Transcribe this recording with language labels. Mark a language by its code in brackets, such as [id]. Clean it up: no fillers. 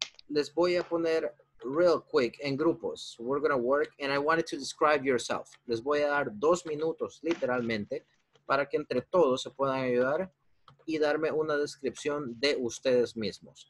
[es] Les voy a poner [en] real quick [es] en grupos. [en] We're going to work, and I wanted to describe yourself. [es] Les voy a dar 2 minutos, literalmente, para que entre todos se puedan ayudar y darme una descripción de ustedes mismos.